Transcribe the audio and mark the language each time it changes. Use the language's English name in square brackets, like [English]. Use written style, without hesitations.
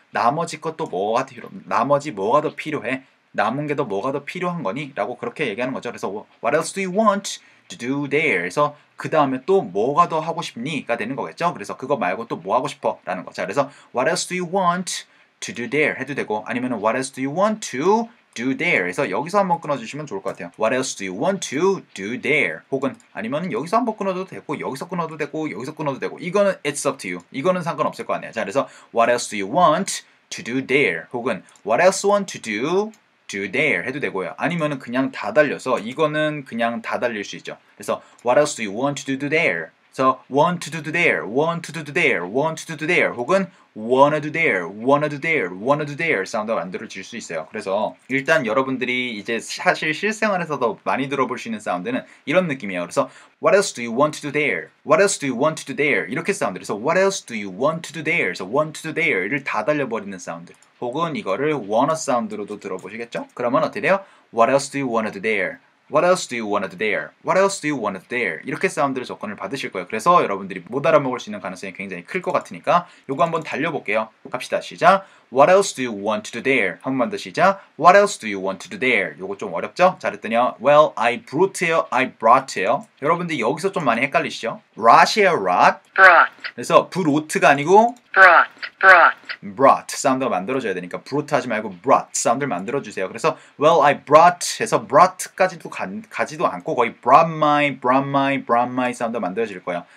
[Korean] 나머지 것도 뭐가 필요, 나머지 뭐가 더 필요해? 남은 게 더 뭐가 더 필요한 거니? 라고 그렇게 얘기하는 거죠. [English] 그래서 What else do you want to do there? [Korean] 그래서 그 다음에 또 뭐가 더 하고 싶니? 가 되는 거겠죠. 그래서 그거 말고 또 뭐 하고 싶어? 라는 거죠. [English] 그래서 What else do you want to do there? [Korean] 해도 되고 아니면 [English] What else do you want to do there? [Korean] 그래서 여기서 한번 끊어주시면 좋을 것 같아요. [English] What else do you want to do there? [Korean] 혹은 아니면 여기서 한번 끊어도 되고 여기서 끊어도 되고 여기서 끊어도 되고 이거는 [English] It's up to you. [Korean] 이거는 상관없을 거 아니에요. [English] 자, 그래서 What else do you want to do there? 혹은 What else want to do do there [Korean] 해도 되고요. 아니면은 그냥 다 달려서 이거는 그냥 다 달릴 수 있죠. [English] 그래서 what else do you want to do there? So want to do there, want to do there, want to do there 혹은 wanna do there, wanna do there, wanna do there 사운드가 만들어질 수 있어요. [Korean] 그래서 일단 여러분들이 이제 사실 실생활에서도 많이 들어볼 수 있는 사운드는 이런 느낌이에요. [English] 그래서 what else do you want to do there? What else do you want to do there? [Korean] 이렇게 사운드. [English] 그래서 what else do you want to do there? So want to do there [Korean] 이를 다 달려버리는 사운드. 혹은 이거를 wanna 사운드로도 들어보시겠죠? 그러면 어떻게 돼요? [English] What else do you wanna do there? What else do you wanna do there? What else do you wanna do there? [Korean] 이렇게 사운드를 접근을 받으실 거예요. 그래서 여러분들이 못 알아먹을 수 있는 가능성이 굉장히 클 것 같으니까 요거 한번 달려볼게요. 갑시다. 시작! [English] What else do you want to do there? [Korean] 한 번만 더 시작! [English] What else do you want to do there? [Korean] 요거 좀 어렵죠? 잘했더니요. [English] Well, I brought here, I brought here. [Korean] 여러분들 여기서 좀 많이 헷갈리시죠? [English] Rot이에요, rot? Brought. [Korean] 그래서 brought가 아니고 [English] brought [Korean] 사운드가 만들어져야 되니까 brought 하지 말고 brought 사운드를 만들어주세요. 그래서 [English] well I brought [Korean] 해서 brought까지도 가지도 않고 거의 brought my 사운드가 만들어질 거예요.